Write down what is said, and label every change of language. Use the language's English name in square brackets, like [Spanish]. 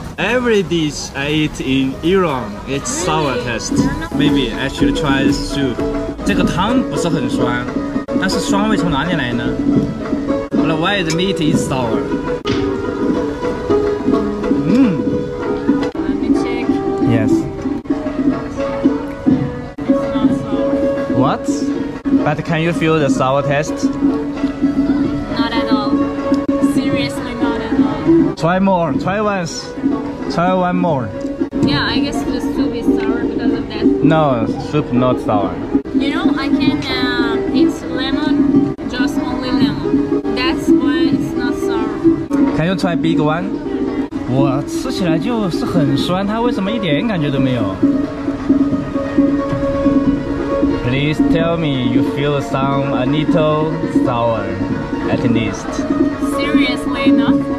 [English] Every dish I eat in Iran, it's sour taste. Maybe I should try this too. [Chinese] 这个汤不是很酸，但是酸味从哪里来呢？ [English] But why the meat is sour? Yes. It's not sour. What? But can you feel the sour taste? Not at all. Seriously, not at all. Try more. Try once. Try one more. Yeah, I guess the soup is sour because of that. No, soup not sour. You know, I can eat lemon, just only lemon. That's why it's not sour. Can you try big one? [Chinese] 我吃起来就是很酸，它为什么一点感觉都没有？ [English] Please tell me you feel some a little sour at least. Seriously, no?